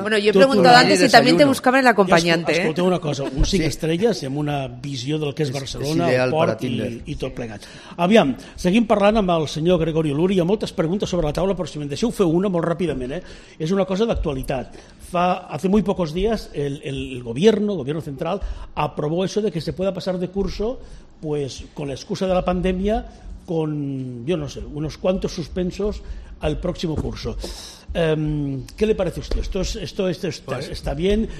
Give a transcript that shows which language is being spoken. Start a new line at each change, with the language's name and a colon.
Spanish: Bueno, yo he preguntado antes si también te buscaban el acompañante.
Catalan: Escolteu una cosa, un 5 estrelles amb una visió del que és Barcelona, el port i tot plegat. Aviam, seguim parlant amb el senyor Gregori Luri. Hi ha moltes preguntes sobre la taula, però si me'n deixeu fer una molt ràpidament, és una cosa d'actualitat.
Spanish: Hace muy pocos días el gobierno central aprobó eso de que se pueda pasar de curso, pues con la excusa de la pandemia, con, yo no sé, unos cuantos suspensos al próximo curso. ¿Qué le parece a usted? ¿Está bien?